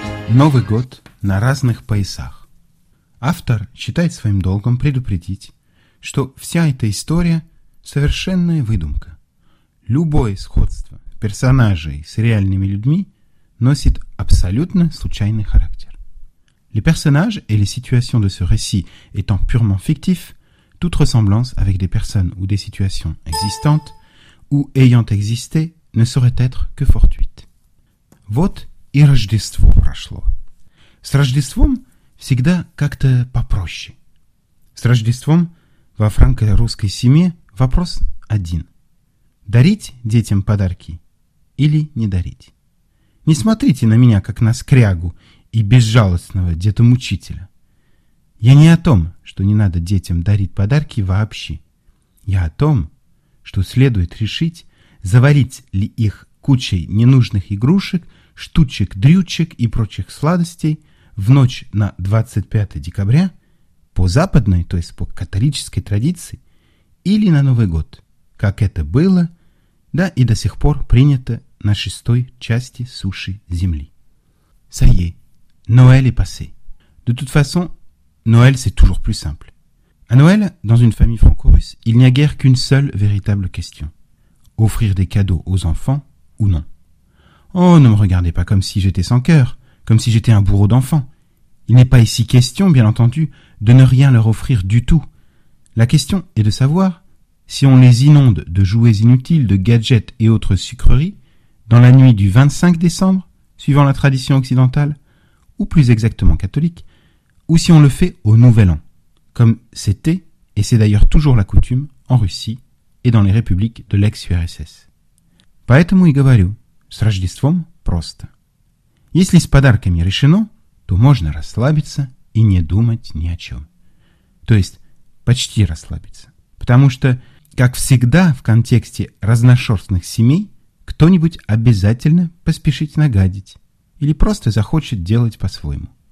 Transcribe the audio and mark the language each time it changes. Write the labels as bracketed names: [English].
[Russian] Новый год на разных поясах. Автор считает своим долгом предупредить, что вся эта история – совершенная выдумка. Любое сходство персонажей с реальными людьми носит абсолютно случайный характер. [French] Le personnage et les situations de ce récit étant purement fictifs, toute ressemblance avec des personnes ou des situations existantes ou ayant existé ne saurait être que fortuite. [Russian] Вот и Рождество прошло. С Рождеством всегда как-то попроще. С Рождеством во франко-русской семье вопрос один. Дарить детям подарки или не дарить? Не смотрите на меня, как на скрягу и безжалостного детомучителя. Я не о том, что не надо детям дарить подарки вообще. Я о том, что следует решить, заварить ли их кучей ненужных игрушек, штучек, дрючек и прочих сладостей в ночь на 25 декабря по западной, то есть по католической традиции, или на Новый год, как это было, да и до сих пор принято на шестой части суши Земли. [French] Ça y est, Noël est passé. De toute façon, Noël c'est toujours plus simple. À Noël, dans une famille franco-russe, il n'y a guère qu'une seule véritable question. Offrir des cadeaux aux enfants ou non. Oh, ne me regardez pas comme si j'étais sans cœur, comme si j'étais un bourreau d'enfants. Il n'est pas ici question, bien entendu, de ne rien leur offrir du tout. La question est de savoir si on les inonde de jouets inutiles, de gadgets et autres sucreries dans la nuit du 25 décembre, suivant la tradition occidentale, ou plus exactement catholique, ou si on le fait au Nouvel An, comme c'était, et c'est d'ailleurs toujours la coutume, en Russie et dans les républiques de l'ex-URSS. [Russian] Поэтому и говорю, с Рождеством просто. Если с подарками решено, то можно расслабиться и не думать ни о чем. То есть почти расслабиться. Потому что, как всегда в контексте разношерстных семей, кто-нибудь обязательно поспешит нагадить или просто захочет делать по-своему.